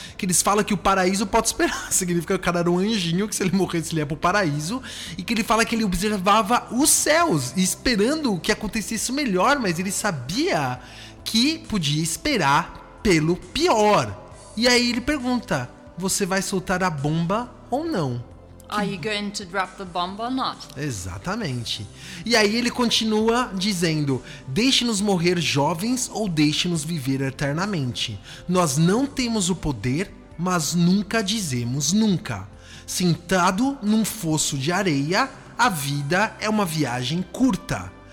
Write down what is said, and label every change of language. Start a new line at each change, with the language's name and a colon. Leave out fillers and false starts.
Portuguese: Que eles falam que o paraíso pode esperar. Significa que o cara era um anjinho, que se ele morresse ele ia pro paraíso. E que ele fala que ele observava os céus, esperando que acontecesse o melhor, mas ele sabia que podia esperar pelo pior. E aí ele pergunta: você vai soltar a bomba ou não?
English: Are you going to drop the bomb or not?
Portuguese: Exatamente. E aí ele continua dizendo: deixe-nos morrer jovens ou deixe-nos viver eternamente. Nós não temos o poder, mas nunca dizemos nunca. Sentado num fosso de areia, a vida é uma viagem curta.